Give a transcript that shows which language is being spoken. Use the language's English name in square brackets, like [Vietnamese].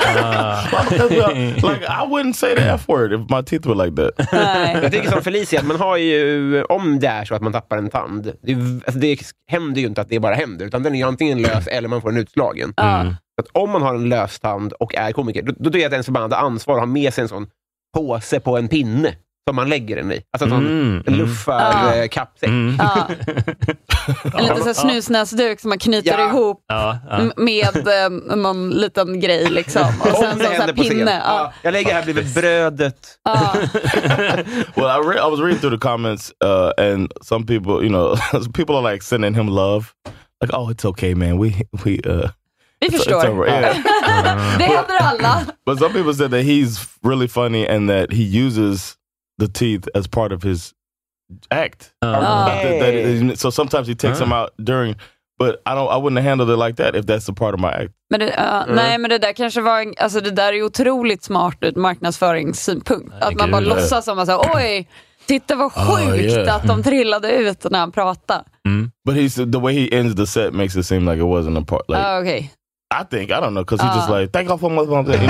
[English] Like, I wouldn't say the F word if my teeth were like that. [Swedish] Jag tycker som Felicia, man har ju, om det är så att man tappar en tand, det händer ju inte att det bara händer, utan den är antingen lös eller man får en utslagen. Så att om man har en lös tand och är komiker, då är det ens förbannade ansvar att ha med sig en sån påse på en pinne som man lägger den i. Alltså en sån luffar kapsel. En liten sån snusnäsduk som man knyter ihop med någon liten grej liksom. Och sen en sån pinne. Jag lägger här blivit brödet. [English] Well, I was reading through the comments and some people, you know, people are like sending him love. Like, oh, it's okay, man. [Swedish] Det händer alla. [English] But some people said that he's really funny and that he uses the teeth as part of his act. So sometimes he takes them out during, but I wouldn't handle it like that if that's a part of my act. [Swedish] Men det, nej, men det där kanske var en, alltså det där är otroligt smart ut marknadsföringssynpunkt. Att man bara låtsas som att säga, oj, titta vad sjukt att de trillade ut när han pratade. [English] But he's, the way he ends the set makes it seem like it wasn't a part. Like, okay. I think, I don't know, because he's just like, thank you for my mom.